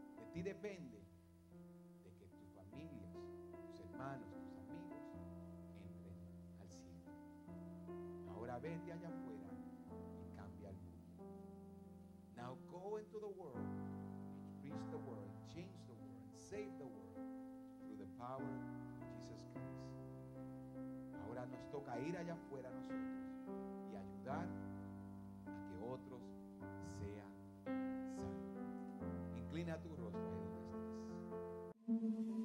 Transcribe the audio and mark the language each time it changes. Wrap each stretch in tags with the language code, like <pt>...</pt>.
<es>ti depende de que tus familias, tus hermanos, tus amigos entren al cielo. Ahora vete allá afuera y cambia el mundo.</es> <en>Now go into the world and preach the word, change the world, and save the world through the power of Jesus Christ.</en> <es>Ahora nos toca ir allá afuera nosotros y ayudar a que otros sean salvos. Inclina tu rostro ahí donde estás.</es>